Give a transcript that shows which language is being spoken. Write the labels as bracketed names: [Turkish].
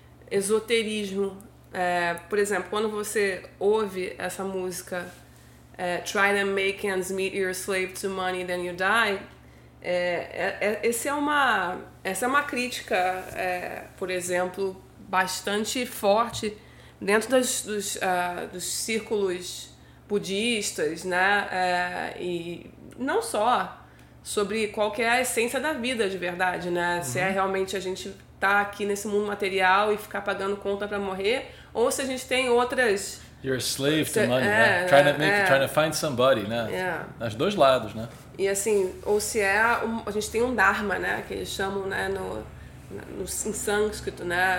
[Portuguese] esoterismo. Por exemplo, quando você ouve essa música [English] Try to make ends meet, you're a slave to money, then you die, [Portuguese] essa é uma crítica, por exemplo, bastante forte dentro dos círculos budistas, né? E não só sobre qual que é a essência da vida de verdade, né? Uhum. Se é realmente a gente tá aqui nesse mundo material e ficar pagando conta para morrer, ou se a gente tem outras... [English] You're a slave to money, né? Trying to find somebody, né? [Portuguese] É. Nas dois lados, né? E assim, ou se é... A gente tem um dharma, né? Que eles chamam, né, em sânscrito, né?